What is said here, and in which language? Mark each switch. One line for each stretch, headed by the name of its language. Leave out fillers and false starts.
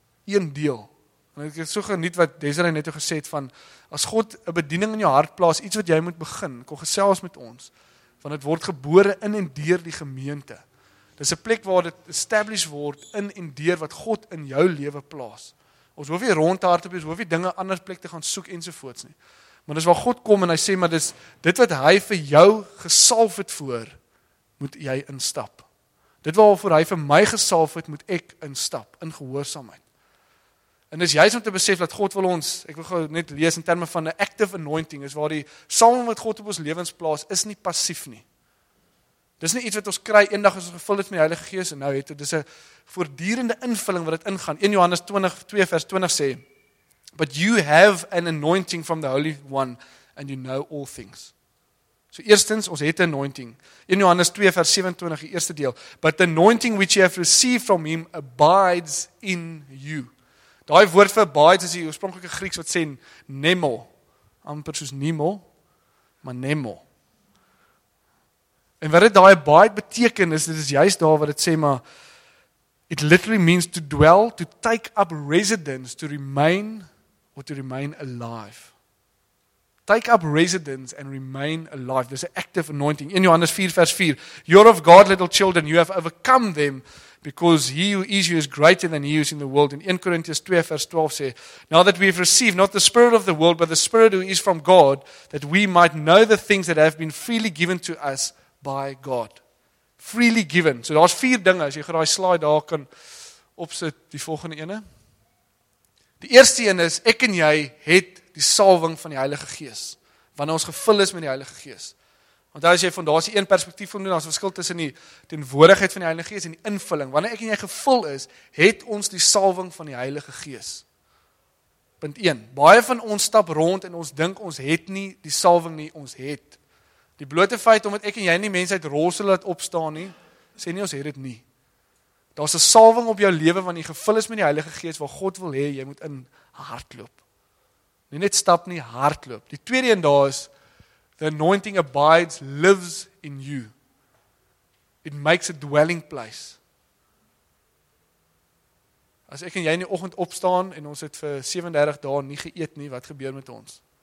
Afrikaans: Een deel. En ek het so geniet wat Desiree net gesê het van, as God een bediening in jou hart plaas, iets wat jy moet begin, kom gesels met ons, want het word gebore in en deur die gemeente. Dit is een plek waar dit established word in en deur wat God in jou leven plaas. Ons hoef nie rond te hardloop, ons hoef nie dinge anders plek te gaan soek ensovoorts nie. Maar dis waar God kom en hy sê, maar dis dit wat hy vir jou gesalf het voor, moet jy instap. Dit waarvoor hy vir my gesalf het, moet ek instap, in gehoorsaamheid. En dis juist om te besef dat God wil ons, ek wil net lees in termen van 'n
English: active anointing,
Afrikaans: is waar die salwing wat God op ons lewens plaas, is nie passief nie. Dis nie iets wat ons kry, een dag as ons gevul het met die Heilige Gees, en nou het dit, dis 'n voortdurende invulling wat het ingaan. 1 Johannes 2 vers 20 sê,
English: but you have an anointing from the Holy One, and you know all things.
Afrikaans: So eerstens, ons het 'n anointing. 1 Johannes 2 vers 27, die eerste deel,
English: but the anointing which you have received from him abides in you.
Afrikaans: Daai woord vir abides is die oorspronklike Grieks wat sê nemo, amper soos nemo, maar nemo. En wat dit daai abide beteken is, dit is juist daar wat dit sê, maar
English: it literally means to dwell, to take up residence, to remain, or to remain alive. Take up residence and remain alive. There's an active anointing. In Johannes 4 vers 4, you're of God, little children, you have overcome them, because he who is you is greater than he who is in the world. In 1 Corinthians 2 vers 12 sê, now that we have received not the spirit of the world, but the spirit who is from God, that we might know the things that have been freely given to us by God. Freely given.
Afrikaans: So daar is vier dinge, as jy graag die slide daar kan opsit, die volgende ene. Die eerste ene is, ek en jy het die salving van die Heilige Gees, wanneer ons gevul is met die Heilige Gees. Want as jy van daar is die een perspektief om doen, as verskil tussen die teenwoordigheid van die Heilige Gees en die invulling. Wanneer ek en jy gevul is, het ons die salving van die Heilige Gees. Punt 1. Baie van ons stap rond en ons dink ons het nie die salving nie, ons het. Die blote feit, omdat ek en jy nie mense uit rolstoel laat opstaan nie, sê nie ons het het nie. Daar is 'n salving op jou lewe, wanneer jy gevul is met die Heilige Gees, waar God wil hê, jy moet in hardloop. Nie net stap nie, hardloop. Die tweede een daar is,
English: the anointing abides, lives in you. It makes a dwelling place.
Afrikaans: As ek en jy in die oggend opstaan, en ons het vir 37 dae nie geëet nie, wat gebeur met ons?